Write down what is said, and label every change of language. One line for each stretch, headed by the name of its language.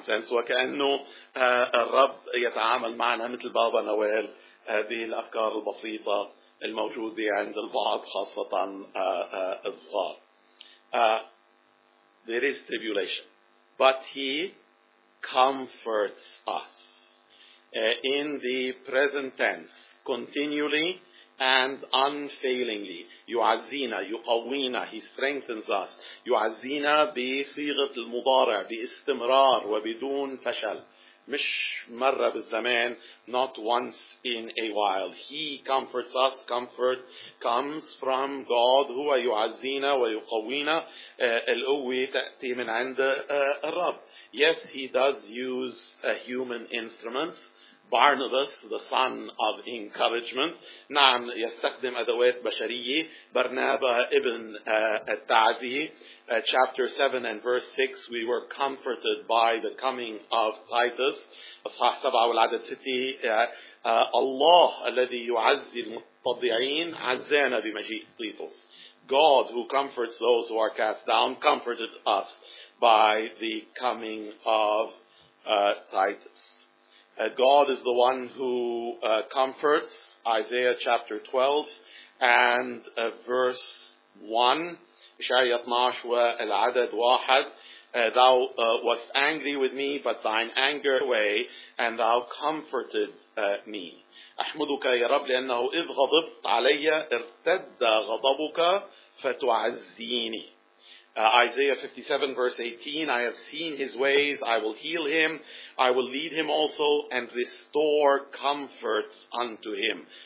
Arabic: وكأنه الرب يتعامل معنا مثل بابا نويل بالأفكار البسيطة الموجودة عند البعض خاصة الصغار.
English: There is tribulation, but he comforts us in the present tense, continually and unfailingly.
Arabic: يعزينا, يقوينا,
English: he strengthens us.
Arabic: يعزينا بصيغة المضارع باستمرار وبدون فشل. مش مرة بالزمان,
English: not once in a while. He comforts us. Comfort comes from God.
Arabic: هو يعزينا ويقوينا. القوة تأتي من عند الرب.
English: Yes, he does use human instruments. Barnabas, the son of encouragement.
Arabic: نعم, يستخدم أدوات بشرية. برنابا ابن التعزي.
English: Chapter 7 and verse 6, we were comforted by the coming of Titus.
Arabic: أصحاح 7 والعدد 6, الله الذي يعزي المتضعين عزانا بمجيء تيتوس.
English: God, who comforts those who are cast down, comforted us by the coming of Titus. God is the one who comforts, Isaiah chapter 12 and verse 1.
Arabic: إشعياء 12 والعدد واحد.
English: Thou wast angry with me, but thine anger away, and thou comforted me.
Arabic: أحمدك يا رب لأنه إذ غضبت علي ارتد غضبك فتعزيني.
English: Isaiah 57 verse 18, I have seen his ways, I will heal him, I will lead him also and restore comforts unto him.